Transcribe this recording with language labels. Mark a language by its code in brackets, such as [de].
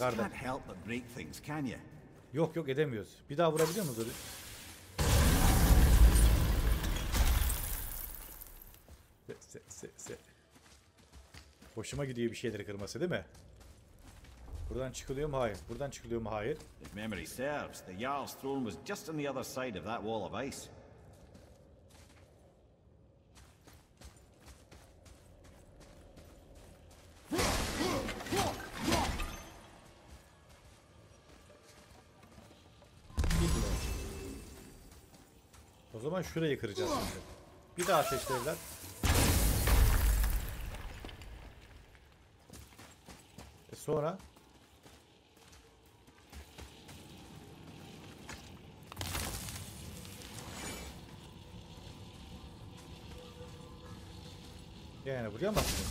[en] You can't help but break things, can you? [tr] Yok yok edemiyoruz. Bir daha vurabiliyor musun? Se. Hoşuma gidiyor bir şeyleri kırması, değil mi? Buradan çıkılıyor mu? Hayır. Buradan çıkılıyor mu? Hayır. [en] If memory serves, the Jarl's throne was just on the other side of that wall of ice. [tr] O zaman şurayı kıracağız şimdi. Bir daha ateşleyelim. Sonra yani buraya mı?